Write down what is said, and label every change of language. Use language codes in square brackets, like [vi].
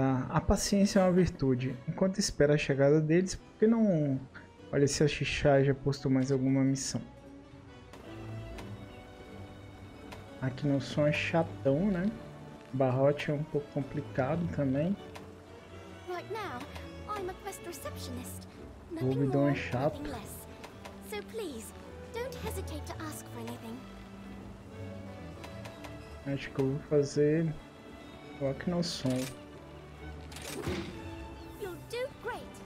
[pt] A paciência é uma virtude. Enquanto espera a chegada deles, por que não olha se a Xixá já postou mais alguma missão? Aqui no som é chatão, né? Barrote é um pouco complicado também. [en] Right now, I'm a quest receptionist. [pt] O ouvidão é chato. [en] Nothing more, nothing less. So please, don't hesitate to ask for anything. [pt] Acho que eu vou fazer rock no som. [en] You'll do great.